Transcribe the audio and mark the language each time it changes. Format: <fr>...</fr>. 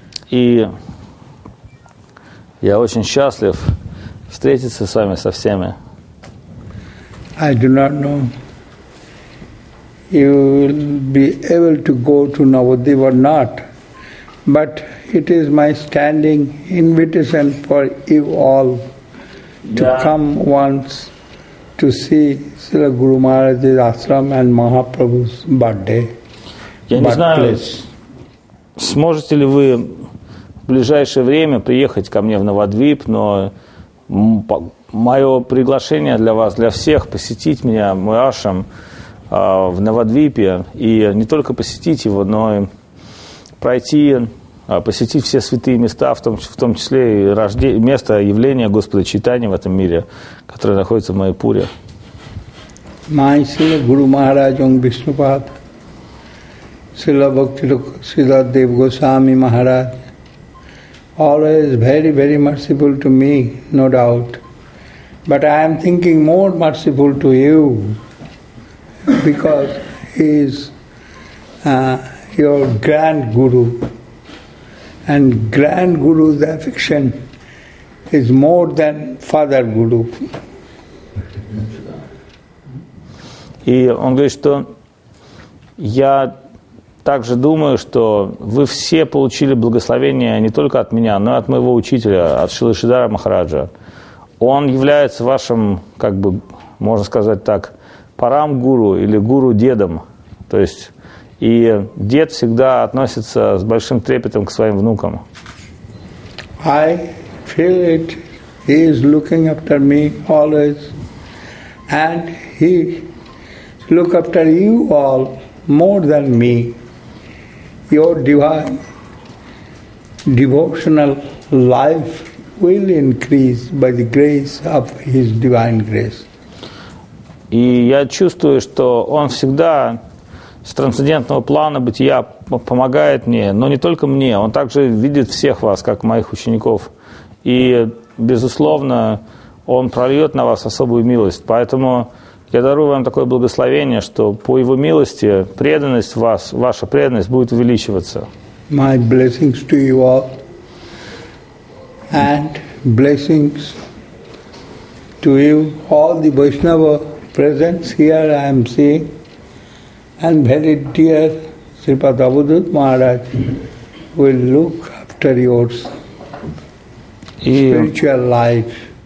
<ru>И я очень счастлив встретиться с вами со всеми.</ru> <en>I do not know you will be able to go to Navadvip or not, but it is my standing invitation for you all to come once to see Srila Guru Maharaj's ashram and Mahaprabhu's birthday.</en> <ru>Я не знаю, сможете ли вы в ближайшее время приехать ко мне в Навадвип, но мое приглашение для вас, для всех, посетить меня, мой ашрам, в Навадвипе, и не только посетить его, но и пройти, посетить все святые места, в том числе и место явления Господа Чайтаньи в этом мире, которое находится в Майяпуре.</ru> <en>Майя Гуру Махарадж Онг Вишнупад, Шрила Бхакти Сиддхарта Дев Госвами Махарадж, always very, very merciful to me, no doubt. But I am thinking more merciful to you, because he is your grand guru. And grand guru's affection is more than father guru.</en> <ru>И он говорит, что я также думаю, что вы все получили благословение не только от меня, но и от моего учителя, от Шрилы Шридхара Махараджа. Он является вашим, как бы, можно сказать так, парам-гуру или гуру-дедом. То есть, и дед всегда относится с большим трепетом к своим внукам.</ru> <en>I feel it. He is looking after me always. And he look after you all more than me. Your divine devotional life will increase by the grace of his divine grace.</en> <ru>И я чувствую, что он всегда с трансцендентного плана бытия помогает мне, но не только мне, он также видит всех вас, как моих учеников. И, безусловно, он прольет на вас особую милость. Поэтому я дарую вам такое благословение, что по его милости преданность вас, ваша преданность будет увеличиваться.</ru> <en>My blessings to you all. And blessings to you, all the Vaishnava presents here I am seeing. And very dear Sripad Avadhut Maharaj will look after your spiritual life.</en>